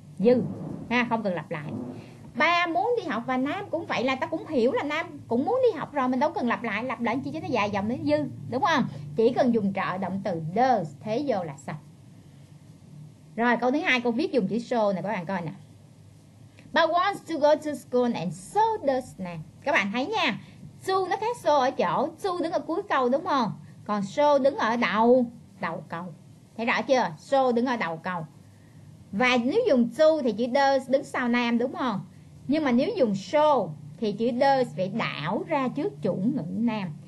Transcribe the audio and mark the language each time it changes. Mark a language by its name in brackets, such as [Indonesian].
[Vietnamese] Dư ha, không cần lặp lại. Ba muốn đi học và Nam cũng vậy là ta cũng hiểu là Nam cũng muốn đi học rồi, mình đâu cần lặp lại, lặp lại chi cho nó dài dòng, nó dư đúng không? Chỉ cần dùng trợ động từ does thế vô là xong. Rồi câu thứ hai cô viết dùng chữ so này các bạn coi nè. [English] Ba wants to go to school and so does Nam. [Vietnamese] Các bạn thấy nha. Su nó khác so ở chỗ, su đứng ở cuối câu đúng không? Còn so đứng ở đầu, đầu câu. Thấy rõ chưa? So đứng ở đầu câu. Và nếu dùng su thì chữ does đứng sau Nam đúng không? Nhưng mà nếu dùng so thì chữ does phải đảo ra trước chủ ngữ Nam.